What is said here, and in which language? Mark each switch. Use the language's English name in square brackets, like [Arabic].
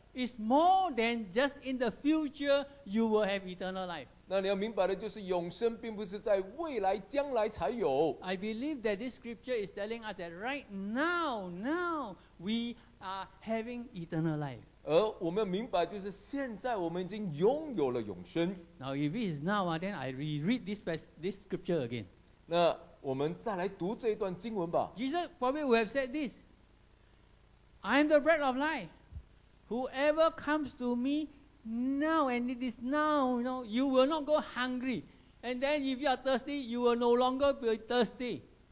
[English] It's more than just in the future you will have eternal life. [Chinese] 那你要明白的就是永生并不是在未来将来才有。 [English] I believe that this scripture is telling us that right now we are having eternal life. [Chinese] 而我们明白就是现在我们已经拥有了永生。 [English] Now if it is now, then I reread this scripture again. [Chinese] 那我们再来读这一段经文吧。 [English] Jesus probably would have said this, I am the bread of life. Whoever comes to me now, and it is now, you know, you will not go hungry. And then if you are thirsty, you will no longer be thirsty.